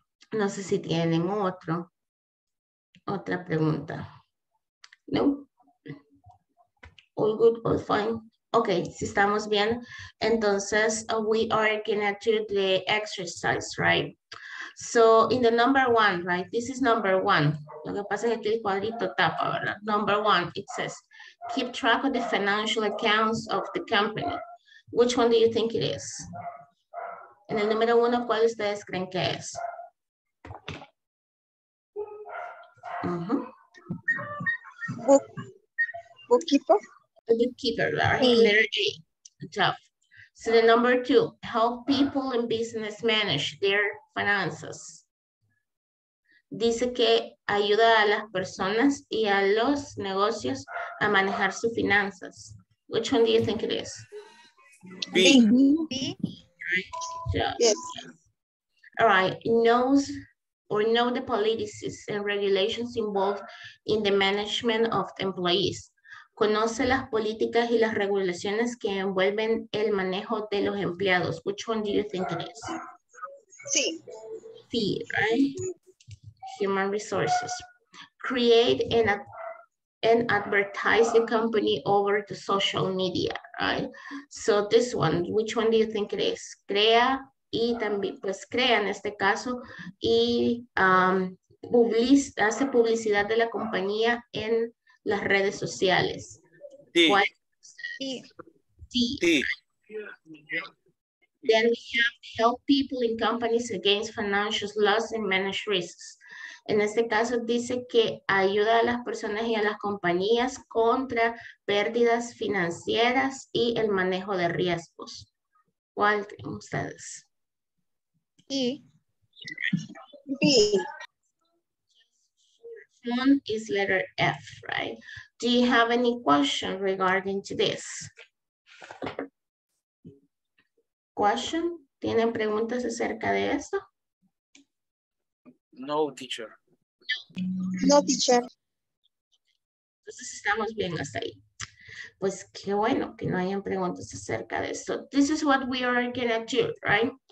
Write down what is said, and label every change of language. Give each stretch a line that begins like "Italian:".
Spanish: No sé si tienen otra pregunta. No.
English: All good, all fine. Ok,
Spanish: si estamos bien, entonces
English: we are gonna do the exercise, right? So in the number one, right? This is number one.
Spanish: Lo que pasa es que aquí el cuadrito tapa, ¿verdad?
English: Number one, it says, keep track of the financial accounts of the company. Which one do you think it is?
Spanish: En el número uno, ¿cuál ustedes creen que es?
English: Bookkeeper, right? Yeah. Letter A. So the number two, help people and business manage their finances.
Spanish: Dice que ayuda a las personas y a los negocios a manejar sus finanzas.
English: Which one do you think it is? B. All right. Knows or know the policies and regulations involved in the management of employees.
Spanish: Conoce las políticas y las regulaciones que envuelven el manejo de los empleados.
English: Which one do you think it is? C. C, right? Human resources. Create and advertise the company over the social media. Right. So this one, which one do you think it is?
Spanish: Crea y también, pues crea en este caso, y hace publicidad de la compañía en las redes sociales. Sí.
English: Then we have help people in companies against financial loss and manage risks.
Spanish: En este caso dice que ayuda a las personas y a las compañías contra pérdidas financieras y el manejo de riesgos. ¿Cuál creen ustedes? B.
English: One is letter F, right? Do you have any question regarding to this? question?
Spanish: ¿Tienen preguntas acerca de eso?
English: No, teacher. No, teacher.
Spanish: Entonces estamos bien hasta ahí. Pues qué bueno que no hayan preguntas acerca de esto.
English: This is what we are going to do, right?